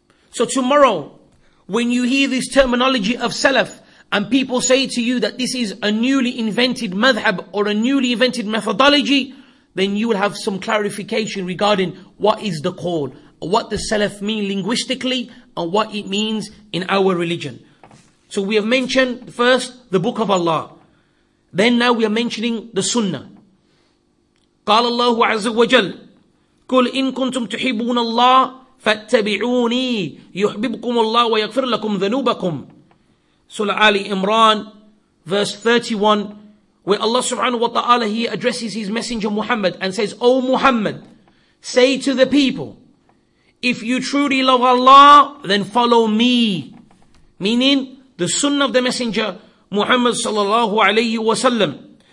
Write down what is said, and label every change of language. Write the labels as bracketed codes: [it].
[en] So tomorrow, when you hear this terminology of Salaf, and people say to you that this is a newly invented madhab or a newly invented methodology, then you will have some clarification regarding what is the call, what the Salaf mean linguistically, and what it means in our religion. So we have mentioned first the Book of Allah. Then now we are mentioning the Sunnah. [ar] قال الله عز وجل قل إن كنتم تحبون الله فاتبعوني يحببكم الله ويغفر لكم ذنوبكم. [en] Surah Ali Imran, verse 31, where Allah subhanahu wa ta'ala, he addresses his messenger Muhammad and says, O Muhammad, say to the people, if you truly love Allah, then follow me. Meaning, the sunnah of the messenger Muhammad sallallahu alayhi wa sallam.